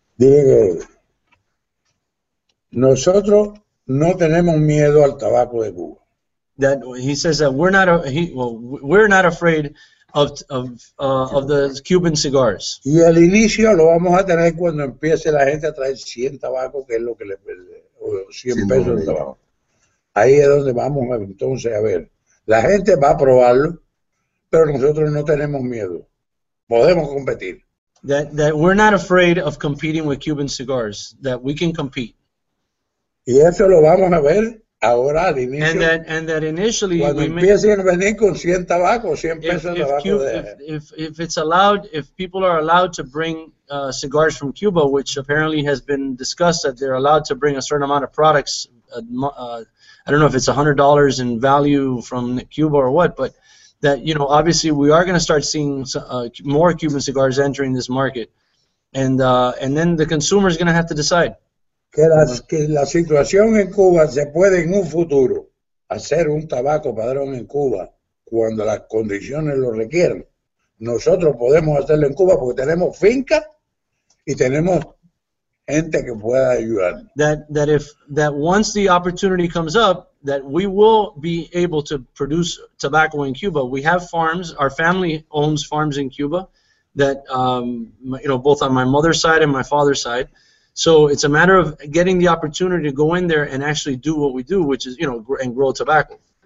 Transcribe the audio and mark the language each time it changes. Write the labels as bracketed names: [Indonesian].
[Spanish] Dile que nosotros no tenemos miedo al tabaco de Cuba. [English] That he says that we're not afraid of the Cuban cigars. [Spanish] Y al inicio lo vamos a tener cuando empiece la gente a traer 100 tabacos, que es lo que le pide, o 100 pesos de tabaco. Ahí es donde vamos entonces a ver. La gente va a probarlo, pero nosotros no tenemos miedo. Podemos competir. [English] That we're not afraid of competing with Cuban cigars, that we can compete. [Spanish] Y eso lo vamos a ver ahora al inicio. [English] And that initially [Spanish] cuando empiecen a venir con 100 tabacos, 100 pesos de tabaco. [English] If people are allowed to bring cigars from Cuba, which apparently has been discussed that they're allowed to bring a certain amount of products, I don't know if it's $100 in value from Cuba or what, but that, you know, obviously we are going to start seeing more Cuban cigars entering this market, and then the consumer is going to have to decide. [Spanish] Que la situación en Cuba se puede en un futuro hacer un tabaco Padrón en Cuba cuando las condiciones lo requieran. Nosotros podemos hacerlo en Cuba porque tenemos finca y tenemos gente que pueda ayudar. [English] That once the opportunity comes up, that we will be able to produce tobacco in Cuba. We have farms. Our family owns farms in Cuba, that you know, both on my mother's side and my father's side. So it's a matter of getting the opportunity to go in there and actually do what we do, which is, you know, and grow tobacco.